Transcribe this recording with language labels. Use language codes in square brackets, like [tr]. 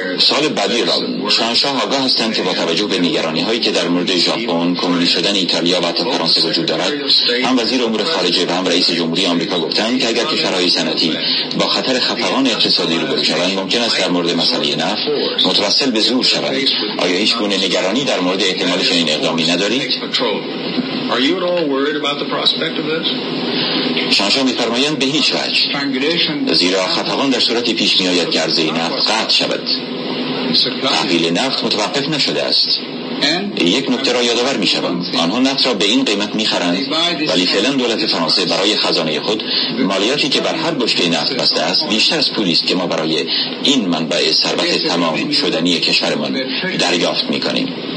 [fa] سال بعدی را شاهنشاه آگاه هستند که با توجه به نگرانی هایی که در مورد ژاپن، کمونیست شدن ایتالیا و حتی فرانسه وجود دارد، هم وزیر امور خارجه و هم رئیس جمهوری آمریکا گفتند که اگر کشورهای صنعتی با خطر خفقان اقتصادی روبرو شوند، ممکن است در مورد مسئله نفت متوسل به زور شوند. آیا هیچ گونه نگرانی در مورد احتمال چنین اقدامی ندارید؟ [en] Are you at all worried about the prospect of this? [fa] شانشا می‌فرمایند به هیچ وجه، زیرا خطران در صورتی پیش می‌آید که عرضه نفت قطع شود. تحویل نفت متوقف نشده است. یک نکته را یادآور می‌شوم، آنها نفت را به این قیمت می‌خرند، ولی فعلا دولت فرانسه برای خزانه خود مالیاتی که بر هر بشکه نفت بسته است بیشتر از پولی است که ما برای این منبع ثروت تمام شدنی کشورمان دریافت می‌کنیم.